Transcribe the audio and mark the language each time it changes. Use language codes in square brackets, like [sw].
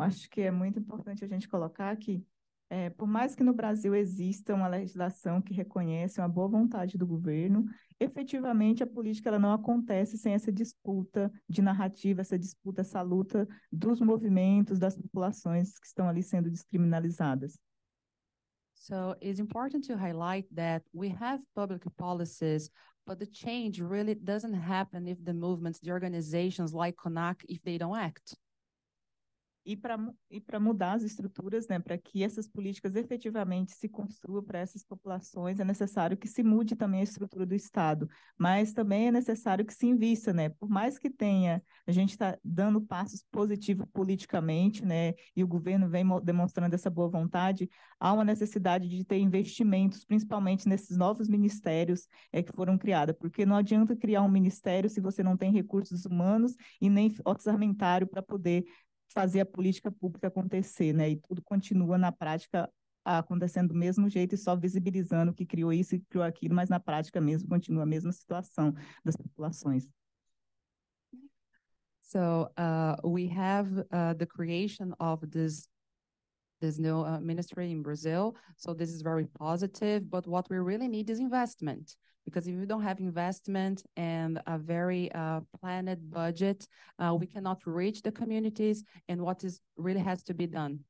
[pt] Acho que é muito importante a gente colocar que, por mais que no Brasil exista uma legislação que reconhece uma boa vontade do governo, efetivamente a política ela não acontece sem essa disputa de narrativa, essa disputa, essa luta dos movimentos, das populações que estão ali sendo descriminalizadas. So, it's important to highlight that we have public policies, but the change really doesn't happen if the movements, the organizations like CONAC, if they don't act. E para mudar as estruturas, né, para que essas políticas efetivamente se construam para essas populações, é necessário que se mude também a estrutura do Estado, mas também é necessário que se invista, né, por mais que tenha, a gente está dando passos positivos politicamente, né, e o governo vem demonstrando essa boa vontade, há uma necessidade de ter investimentos, principalmente nesses novos ministérios que foram criados, porque não adianta criar um ministério se você não tem recursos humanos e nem orçamentário para poder fazer a política pública acontecer, né? E tudo continua na prática acontecendo do mesmo jeito e só visibilizando que criou isso e criou aquilo, mas na prática mesmo continua a mesma situação das populações. [en] So, we have the creation of this new ministry in Brazil. So this is very positive, but what we really need is investment. Because if we don't have investment and a very planned budget, we cannot reach the communities and what is really has to be done.